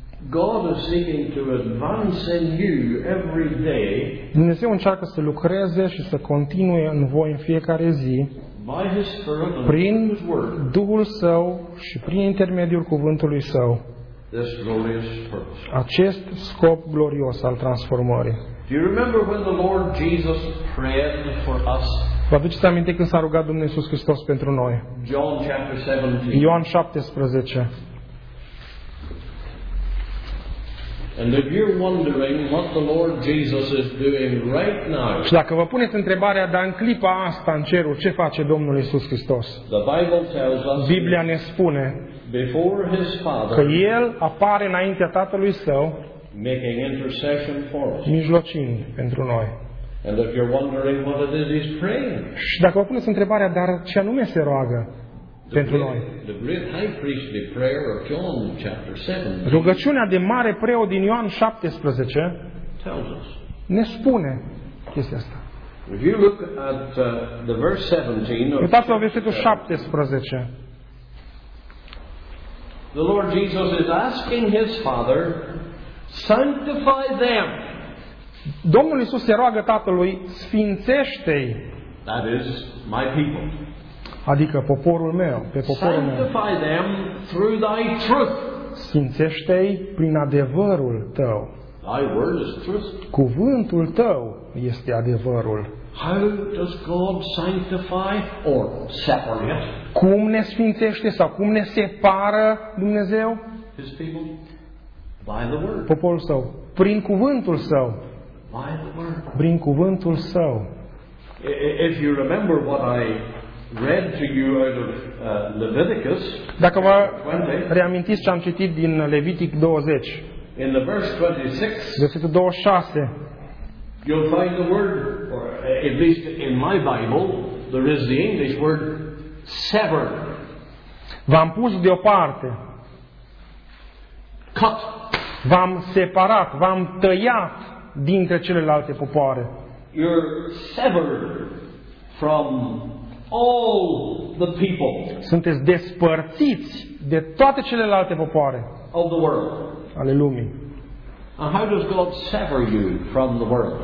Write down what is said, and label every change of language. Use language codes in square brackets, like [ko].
[en] God is seeking to advance in you every day. [ro] Dumnezeu încearcă să lucreze și să continue în voi în fiecare zi prin Duhul Său și prin intermediul Cuvântului Său. [en] This glorious purpose. [ro] Acest scop glorios al transformării. [en] Do you remember when the Lord Jesus prayed for us? [ro] Vă aduceți aminte când s-a rugat Domnul Iisus Hristos pentru noi? [en] John chapter 17. [ro] Ioan 17. [en] And if you're wondering what the Lord Jesus is doing right now. [ro] Și dacă vă puneți întrebarea, dar în clipa asta în cerul, ce face Domnul Iisus Hristos? [en] The Bible tells us. [ro] Biblia ne spune. [en] Before his father. [ro] Că el apare înaintea Tatălui Său. [en] Making intercession for us. [ro] Mijlocind pentru noi. [en] And if you're wondering what it is he's praying. [ro] Și dacă vă puneți întrebarea, dar ce anume se roagă? Pentru noi. [en] The great high priestly prayer of John chapter 7. [ro] Rugăciunea de mare preot din Ioan 17 [en] tells us. [ro] Ne spune chestia asta. [en] If you look at the verse 17. [ro] Uitați la versetul 17. [en] The Lord Jesus is asking his Father, sanctify them. [ro] Domnul Iisus se roagă Tatălui, sfințește-i. [en] That is my people. [ro] Adică poporul meu, pe poporul meu. [en] Sanctify them through thy truth. [ro] Sfințește-i prin adevărul tău. [en] Thy word is truth. [ro] Cuvântul tău este adevărul. [en] How does God sanctify or separate? [ro] Cum ne sfințește sau cum ne separă Dumnezeu? [en] His people by the word. [ro] Poporul său prin cuvântul său. [en] By the word. [ro] Prin cuvântul său. [en] If you remember what I read to you out of Leviticus. [ro] Dacă vă reamintiți ce am citit din Levitic 20. [en] In the verse 26. [ro] Versetul 26. [en] You'll find the word, or at least in my Bible, there is the English word sever. [ro] V-am pus deoparte. [en] Cut. [ro] V-am separat, v-am tăiat dintre celelalte popoare. [en] You're severed from all the people. [ro] Sunteți despărțiți de toate celelalte popoare. [en] Of the world. [ro] Ale lumii. [en] And how does God sever you from the world?